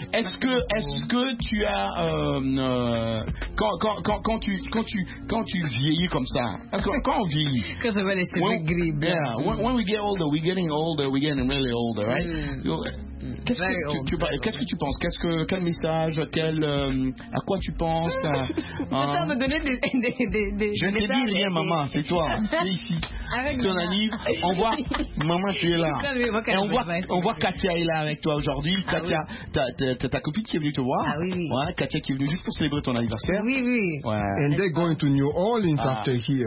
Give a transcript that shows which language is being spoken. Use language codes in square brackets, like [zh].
[fr] Est-ce que tu as quand tu vieillis comme ça? Quand on vieillit? [en] Because of all this gris. Yeah. When we get older, we're getting older. We're getting really older, right? Mm. [fr] Qu'est-ce que tu penses? Quel message? À quoi tu penses? Attends, me donner des je ne te dis rien, maman, c'est toi. Tu es ici. Avec ton anniv. On voit, maman, tu es là. On voit Katia est là avec toi aujourd'hui. Katia, ta copine qui est venue te voir. Ah oui. Ouais, Katia qui est venue juste pour célébrer ton anniversaire. Oui, oui. Ouais. [en] And they're going to New Orleans after here.